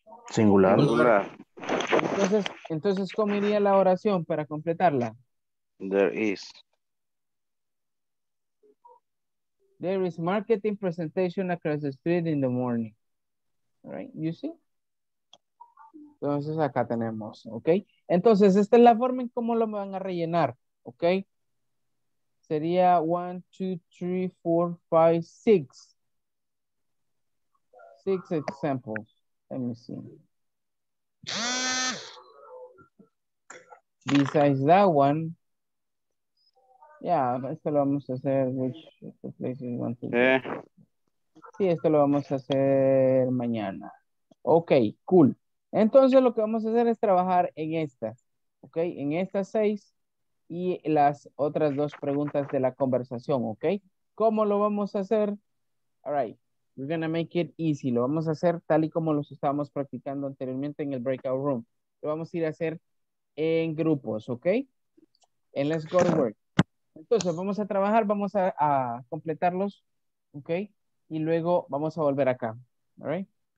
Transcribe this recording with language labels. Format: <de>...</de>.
<en>Singular.</en> <es>Entonces, ¿cómo iría la oración para completarla?</es> <en>There is. There is marketing presentation across the street in the morning. Right? You see?</en> <es>Entonces acá tenemos, ¿ok? Entonces esta es la forma en cómo lo van a rellenar, ¿ok? Sería 1, 2, 3, 4, 5, 6.</es> <en>6 examples. Let me see. Besides that one. Yeah,</en> <es>esto lo vamos a hacer.</es> <en>Which place you want to go?</en> <es>Sí, esto lo vamos a hacer mañana.</es> <en>Ok, cool.</en> <es>Entonces lo que vamos a hacer es trabajar en estas. Ok, en estas seis y las otras dos preguntas de la conversación. Ok, ¿cómo lo vamos a hacer?</es> <en>All right, we're going to make it easy.</en> <es>Lo vamos a hacer tal y como los estábamos practicando anteriormente en el breakout room. Lo vamos a ir a hacer en grupos. Ok,</es> <en>and let's go to work.</en> <es>Entonces, vamos a trabajar, vamos a completarlos, ¿ok? Y luego vamos a volver acá,</es> <en>¿all right?</en>